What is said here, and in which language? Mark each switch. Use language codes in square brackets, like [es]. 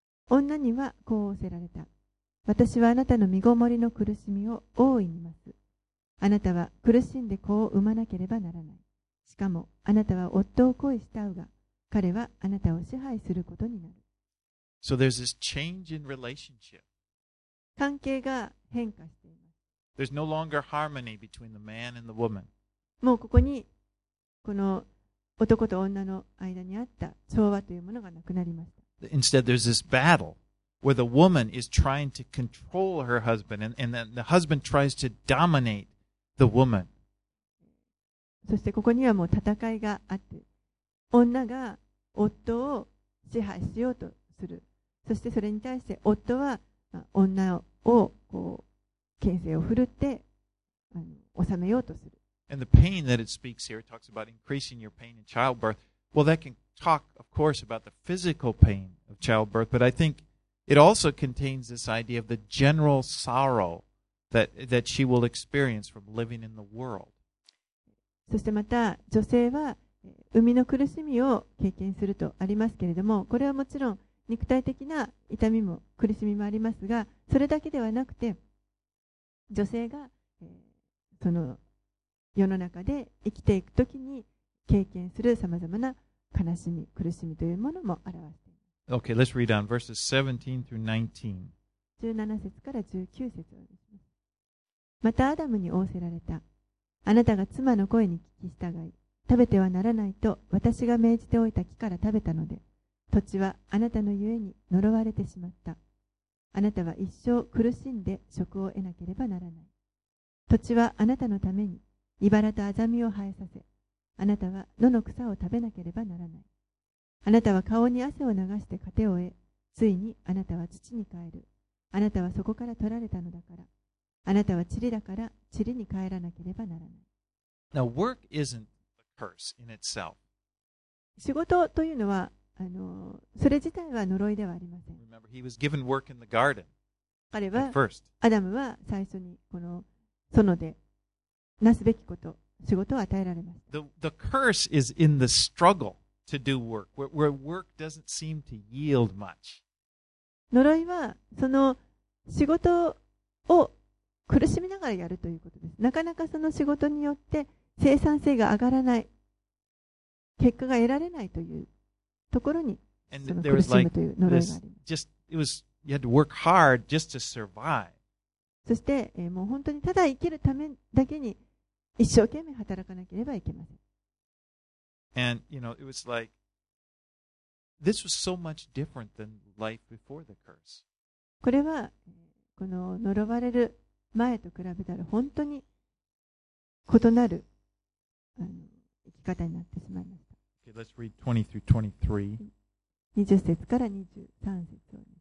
[ja] 女にはこう仰せられた。私はあなたの身ごもりの苦しみを大いに増す。あなたは苦しんで子を産まなければならない。しかもあなたは夫を恋したうが、彼はあなたを支配することになる。 [en] So there's this change in relationship. [ja] 関係が変化しています。 [en] There's no longer harmony between the man and the woman. [ja] もうここにこの男と女の間にあった調和というものがなくなりました。 [en] Instead, there's this battle. Where the woman is trying to control her husband, and then the husband tries to dominate the woman. [ja] そしてここにはもう戦いがあって、女が夫を支配しようとする。そしてそれに対して夫は女をこう権勢を振るって治めようとする。 [en] And the pain that it speaks here it talks about increasing your pain in childbirth. Well, that can talk, of course, about the physical pain of childbirth, but I think. It also contains this idea of the general sorrow that she will experience from living in the world. [ja] そしてまた女性は産みの苦しみを経験するとありますけれども、これはもちろん肉体的な痛みも苦しみもありますが、それだけではなくて、女性がその世の中で生きていくときに経験するさまざまな悲しみ、苦しみというものも表す。 [en] Okay, let's read on verses 17 through 19. [ja] 17節から19節をですね。またアダムに仰せられた。あなたが妻の声に聞き従い、食べてはならないと私が命じておいた木から食べたので、土地はあなたのゆえに呪われてしまった。あなたは一生苦しんで食を得なければならない。土地はあなたのために茨とアザミを生えさせ、あなたは野の草を食べなければならない。あなたは顔に汗を流して糧を得、ついにあなたは土に帰る。あなたはそこから取られたのだから。あなたは塵だから塵に帰らなければならない。 [en] Now, work isn't a curse in itself. [ja] 仕事というのはそれ自体は呪いではありません。 [en] Remember, he was given work in the garden. [ja] 彼は、アダムは最初にこの園でなすべきこと、仕事を与えられました。 [en] The curse is in the struggle to do work, where work doesn't seem to yield much. [ja] 呪いはその仕事を苦しみながらやるということです。なかなかその仕事によって生産性が上がらない、結果が得られないというところにその苦しむという呪いがあります。 [en] You had to work hard just to survive. [ja] そして、もう本当にただ生きるためだけに一生懸命働かなければいけません。 [en] And you know, it was like this was so much different than life before the curse. [ja] これはこの呪われる前と比べたら本当に異なる生き方になってしまいました。 [en] Okay, let's read 20 through 23. 20 [ja] 節から23節を。